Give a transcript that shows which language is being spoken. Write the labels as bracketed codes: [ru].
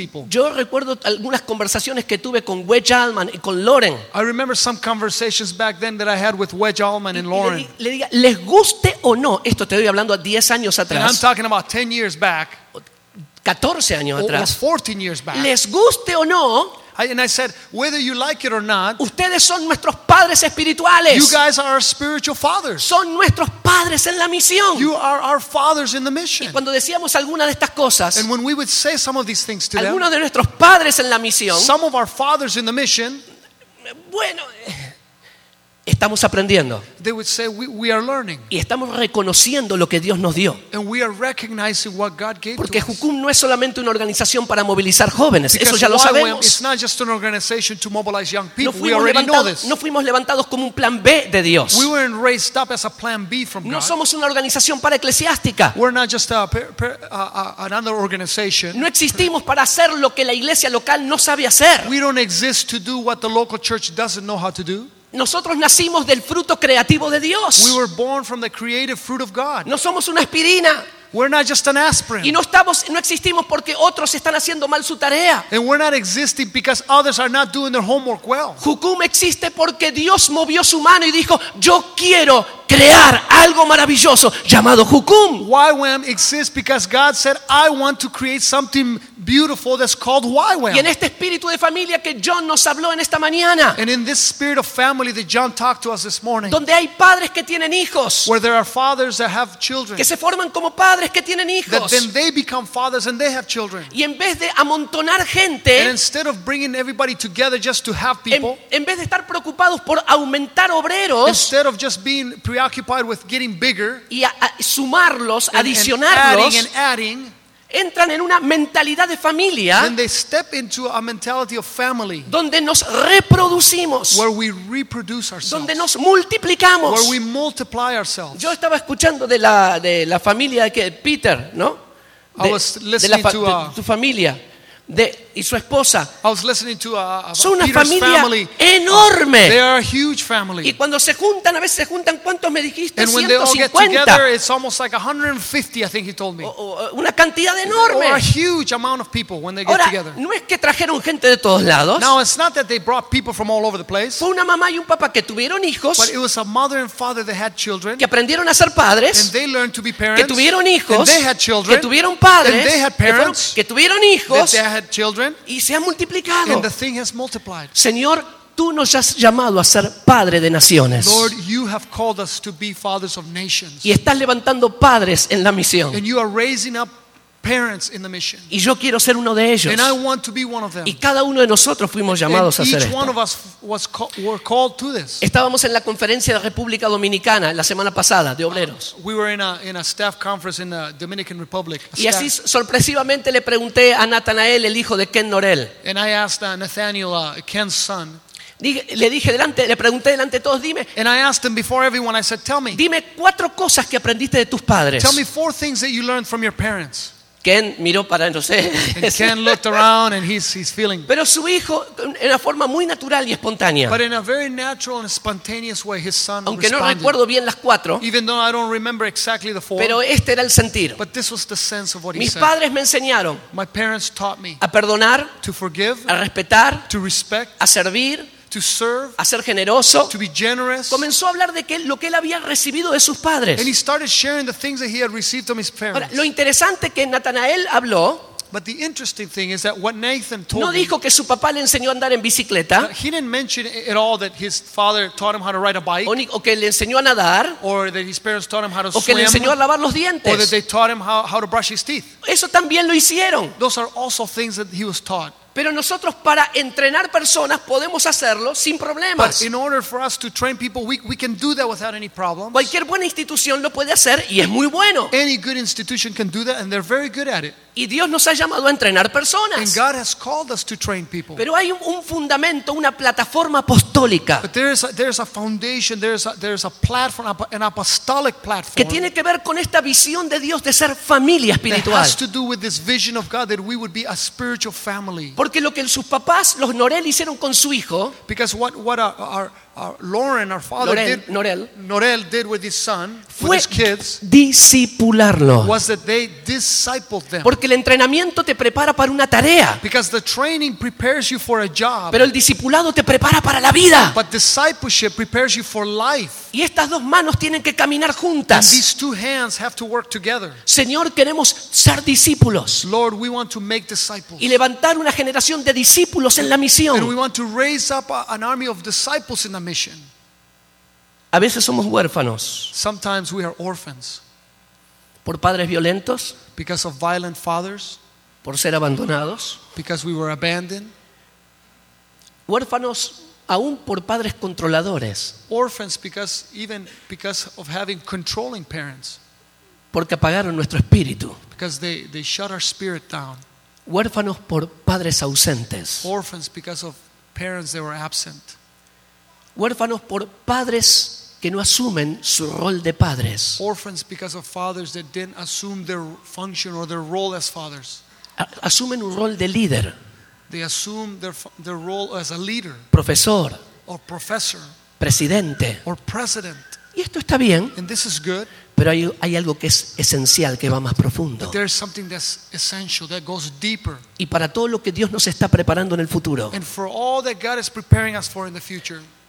[es] Yo recuerdo algunas conversaciones que tuve con Wedge Allman y con Lauren. [en] I remember some conversations back then that I had with Wedge Allman and Lauren. [es] Le diga, les guste o no, esto te estoy hablando a 10 años atrás. [en] And I'm talking about 10 years back. [es] 14 años atrás. [en] Or 14 years back. [es] Les guste o no, [en] and I said, whether you like it or not, [es] ustedes son nuestros padres espirituales. [en] You guys are our spiritual fathers. [es] Son nuestros padres en la misión. [en] You are our fathers in the mission. [es] Y cuando decíamos alguna de estas cosas, [en] and when we would say some of these things to them, [es] alguno de nuestros padres en la misión, [en] some of our fathers in the mission, [es] bueno, estamos aprendiendo. [en] They would say, we are learning. [es] Y estamos reconociendo lo que Dios nos dio. [en] And we are recognizing what God gave. [es] Porque Jucum no es solamente una organización para movilizar jóvenes. Eso ya lo sabemos. [en] It's not just an organization to mobilize young people. [es] No fuimos levantados, no fuimos levantados como un plan B de Dios. [en] We weren't raised up as a plan B from God. [es] No somos una organización para eclesiástica. [en] We're not just another organization. [es] No existimos para hacer lo que la iglesia local no sabe hacer. [en] We don't exist to do what the local church doesn't know how to do. [es] Nosotros nacimos del fruto creativo de Dios. [en] We were born from the creative fruit of God. [es] No somos una aspirina. [en] We're not just an aspirin. [es] Y no existimos porque otros están haciendo mal su tarea. [en] And we're not existing because others are not doing their homework well. [es] Jucum existe porque Dios movió su mano y dijo, yo quiero crear algo maravilloso llamado Jucum. [en] YWAM exists because God said, I want to create something beautiful that's called YWAM. [es] Y en este espíritu de familia que John nos habló en esta mañana, [en] and in this spirit of family that John talked to us this morning, [es] donde hay padres que tienen hijos, [en] where there are fathers that have children, [es] que se forman como padres que tienen hijos, [en] that then they become fathers and they have children, [es] y en vez de amontonar gente, [en] and instead of bringing everybody together just to have people, [es] en vez de estar preocupados por aumentar obreros, [en] instead of just being preoccupied with getting bigger, [es] y a sumarlos, adicionarlos, [en] and adding, [es] entran en una mentalidad de familia, [en] then they step into a mentality of family, [es] donde nos reproducimos, [en] where we reproduce ourselves, [es] donde nos multiplicamos, [en] where we multiply ourselves. [es] Yo estaba escuchando de la familia de Peter, ¿no? [en] I was listening to [es] tu familia. De, y su esposa. [en] I was listening to [es] son una [en] Peter's [es] familia [en] family. [es] Enorme. [en] They are a huge family. [es] Y cuando se juntan, a veces se juntan, ¿cuántos me dijiste? [en] And [es] 150. [en] Together, it's almost like 150, I think he told me. [es] Una cantidad enorme. [en] Or a huge amount of people when they get [es] Ahora, [en] together. [es] No es que trajeron gente de todos lados. [en] Now, it's not that they brought people from all over the place. [es] Fue una mamá y un papá que tuvieron hijos. [en] But it was a mother and father that had children. [es] Que aprendieron a ser padres. [en] And they learned to be parents. [es] Que tuvieron hijos. [en] And they had children. [es] Que tuvieron padres. [en] And they had parents. [es] Que tuvieron hijos. [en] That had children, [es] y se ha multiplicado. [en] And the thing has multiplied. [es] Señor, tú nos has llamado a ser padre de naciones. [en] Lord, you have called us to be fathers of nations. [es] Y estás levantando padres en la misión. [en] And you are raising up parents in the mission. [es] Y yo quiero ser uno de ellos. [en] And I want to be one of them. [es] Y cada uno de nosotros fuimos llamados a hacer esto. [en] Each one of us was were called to this. [es] Estábamos en la conferencia de República Dominicana la semana pasada de obreros. [en] We were in a staff conference in the Dominican Republic. [es] Y así sorpresivamente le pregunté a Nathanael, el hijo de Ken Norell. [en] And I asked Nathaniel, Ken's son. [es] Le pregunté delante de todos, dime. [en] And I asked him before everyone, I said, tell me. [es] Dime cuatro cosas que aprendiste de tus padres. [en] Tell me four things that you learned from your parents. [es] Ken miró para no sé. [en] And Ken looked around and he's feeling. [es] Pero su hijo, en una forma muy natural y espontánea. [en] But in a very natural and spontaneous way, his son responded. [es] Aunque no recuerdo bien las cuatro. [en] Even though I don't remember exactly the four. [es] Pero este era el sentir. [en] But this was the sense of what he [es] Mis [en] said. [es] Padres me enseñaron. [en] My parents taught me. [es] A perdonar. [en] To forgive. [es] A respetar. [en] To respect. [es] A servir. [en] To serve, [es] a ser generoso, [en] to be generous. [es] Comenzó a hablar de que, lo que él había recibido de sus padres. [en] And he started sharing the things that he had received from his parents. [es] Ahora, lo interesante que Nathanael habló, [en] but the interesting thing is that what Nathan told [es] no dijo [en] me, [es] que su papá le enseñó a andar en bicicleta. [en] He didn't mention at all that his father taught him how to ride a bike. [es] O que le enseñó a nadar. [en] Or that his parents taught him how to swim. [es] O que le enseñó a lavar los dientes. [en] Or that they taught him how to brush his teeth. [es] Eso también lo hicieron. [en] Those are also things that he was taught. [es] Pero nosotros para entrenar personas podemos hacerlo sin problemas. [en] But in order for us to train people, we can do that without any problems. [es] Cualquier buena institución lo puede hacer y es muy bueno. [en] Any good institution can do that and they're very good at it. [es] Y Dios nos ha llamado a entrenar personas. [en] And God has called us to train people. [es] Pero hay un fundamento, una plataforma apostólica. [en] But there's a foundation, there's a platform, an apostolic platform. [es] Que tiene que ver con esta visión de Dios de ser familia espiritual. [en] That has to do with this vision of God that we would be a spiritual family. [es] Porque lo que sus papás, los Norell, hicieron con su hijo. [en] Because what our Lauren, our father, Norell did with his son, [es] fue [en] with his kids, [es] discipularlo. [en] Was that they discipled them. [es] Porque el entrenamiento te prepara para una tarea. [en] Because the training prepares you for a job. [es] Pero el discipulado te prepara para la vida. [en] But discipleship prepares you for life. [es] Y estas dos manos tienen que caminar juntas. [en] And these two hands have to work together. [es] Señor, queremos ser discípulos. [en] Lord, we want to make disciples. [es] Y levantar una generación de discípulos en la misión. [en] And we want to raise up an army of disciples in the mission. [es] A veces somos huérfanos. [en] Sometimes we are orphans. [es] Por padres violentos. [en] Because of violent fathers. [es] Por ser abandonados. [en] Because we were abandoned. [es] Huérfanos aún por padres controladores. [en] Orphans because of having controlling parents. [es] Porque apagaron nuestro espíritu. [en] Because they shut our spirit down. [es] Huérfanos por padres ausentes. [en] Orphans because of parents that were absent. [es] Huérfanos por padres que no asumen su rol de padres. [en] Orphans because of fathers that didn't assume their function or their role as fathers. [es] Asumen un rol de líder. [en] They assume their role as a leader. [es] Profesor. [en] Or professor. [es] Presidente. [en] Or president. [es] Y esto está bien. [en] And this is good. [es] Pero hay algo que es esencial, que va más profundo. [en] But there's something that's essential that goes deeper. [es] Y para todo lo que Dios nos está preparando en el futuro. [en] And for all that God is preparing us for in the future.